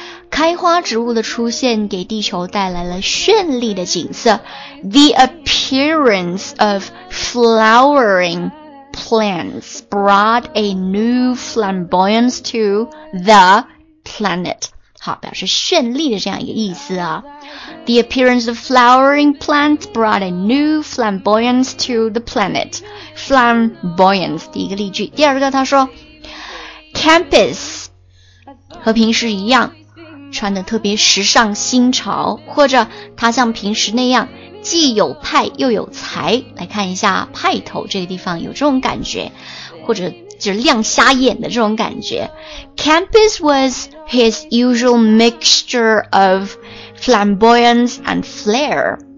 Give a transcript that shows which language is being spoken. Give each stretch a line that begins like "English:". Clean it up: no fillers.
Chinese: 开花植物的出现给地球带来了绚丽的景色。
English: The appearance of flowering plants brought a new flamboyance to the planet.
Chinese: 好，表示绚丽的这样一个意思啊。
English: The appearance of flowering plants brought a new flamboyance to the planet.
Chinese: Flamboyance, 第一个例句。第二个他说 Campus, 和平时一样。穿得特别时尚新潮，或者他像平时那样既有派又有才，来看一下派头这个地方有这种感觉，或者就是亮瞎眼的这种感觉。
English: Campus was his usual mixture of flamboyance and flair.